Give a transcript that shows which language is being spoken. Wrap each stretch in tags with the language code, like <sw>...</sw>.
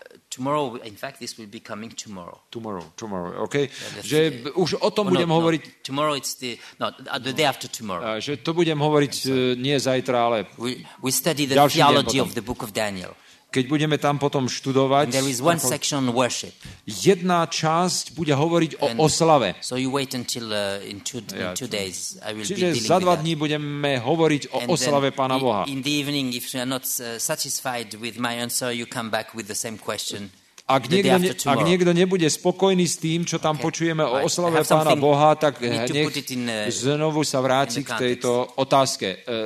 <en>Tomorrow, in fact, this will be coming tomorrow. Tomorrow, okay.</en> <sk>Že už o tom budem hovoriť.</sk> <en>Tomorrow it's the day after tomorrow.</en> <sk>Že to budem hovoriť nie zajtra, ale</sk> <en>we study the theology of the book of Daniel.</en> <sk>Keď budeme tam potom študovať.</sk> <en>And there is one section on worship.</en> <sk>Jedna časť bude hovoriť o oslave.</sk> <en>So you wait until in two days I will be dealing with that.</en> <sk>Čiže za dva dní budeme hovoriť o oslave Pána Boha.</sk> <en>In the evening, if you are not satisfied with my answer, you come back with the same question.</en> <sk>Ak niekto nebude spokojný s tým, čo tam počujeme o oslave Pána Boha, tak nech znovu sa vráti k tejto otázke.</sk>